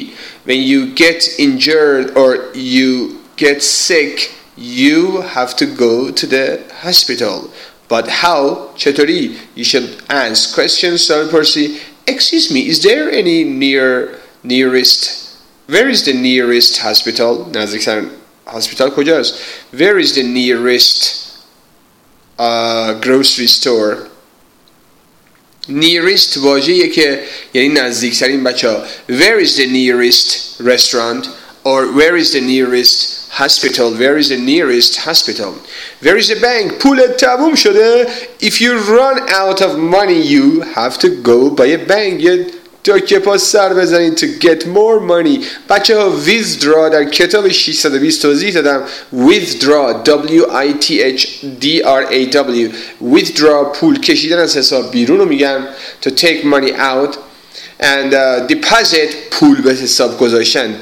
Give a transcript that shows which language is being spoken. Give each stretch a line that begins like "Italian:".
English: When you get injured or you get sick, you have to go to the hospital. But how?
Persian: چطوری?
English: You should ask questions. So
Persian: پرسی,
English: excuse me, is there any nearest, where is the nearest hospital?
Persian: نزدیکترین hospital کجاست?
English: Where is the nearest grocery store?
Persian: Nearest واژه‌ایه که یعنی نزدیکترین. بچه ها,
English: where is the nearest restaurant or where is the nearest hospital? Where is the nearest hospital? Where is the bank?
Persian: پولت تموم شده.
English: If you run out of money, you have to go by a bank.
Persian: یه دکه پا سر بزنید
English: to get more money.
Persian: بچه ها, withdraw در کتاب 620 توضیح دادم.
English: Withdraw, W-I-T-H-D-R-A-W.
Persian: Withdraw, پول کشیدن از حساب بیرون رو میگن.
English: To take money out.
Persian: And deposit, پول به حساب گذاشتن.